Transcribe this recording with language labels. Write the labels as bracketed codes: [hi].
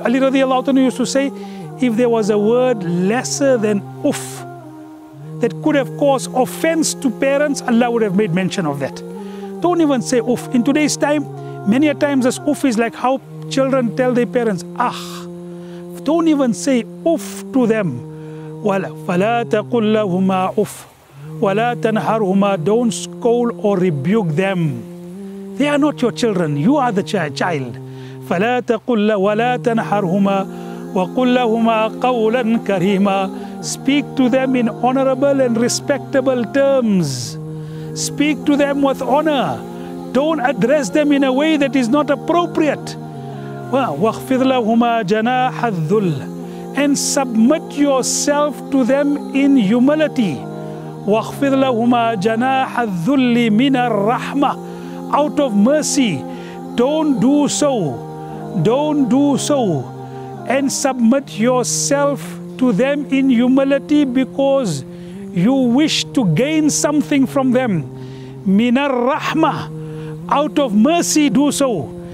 [en] Ali radiallahu ta'ala used to say, if there was a word lesser than uff that could have caused offense to parents, Allah would have made mention of that. Don't even say uff. In today's time, many a times this uff is like how children tell their parents, ah, don't even say uff to them. [ar] وَلَا تَقُلْ لَهُمَا uff. وَلَا تَنْهَرْهُمَا, [en] don't scold or rebuke them. They are not your children, you are the child. [ar] فَلَا تَقُلْ لَهُمَا وَلَا تَنْهَرْهُمَا وَقُلْ لَهُمَا قَوْلًا كَرِيمًا. [en] Speak to them in honorable and respectable terms. Speak to them with honor. Don't address them in a way that is not appropriate. [ar] وَخْفِضْ لَهُمَا جَنَاحَ الذُّلِّ, [en] and submit yourself to them in humility. [ar] وَخْفِضْ لَهُمَا جَنَاحَ الذُّلِّ مِنَ الرَّحْمَةِ, [en] out of mercy. don't do so. Don't do so. And submit yourself to them in humility because you wish to gain something from them. [ar] Minar rahma, [en] out of mercy do so.